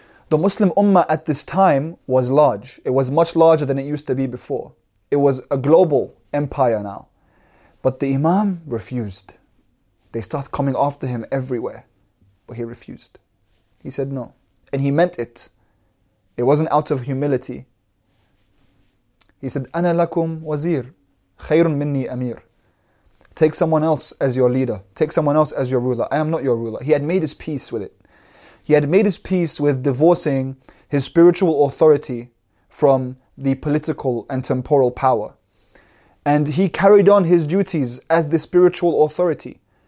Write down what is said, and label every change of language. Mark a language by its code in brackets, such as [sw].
[en] The Muslim Ummah at this time was large. It was much larger than it used to be before. It was a global empire now. But the Imam refused. They started coming after him everywhere, but he refused. He said no. And he meant it. It wasn't out of humility. He said, [ar] أنا لكم وزير خير مني أمير. [en] Take someone else as your leader. Take someone else as your ruler. I am not your ruler. He had made his peace with it. He had made his peace with divorcing his spiritual authority from the political and temporal power. And he carried on his duties as the spiritual authority.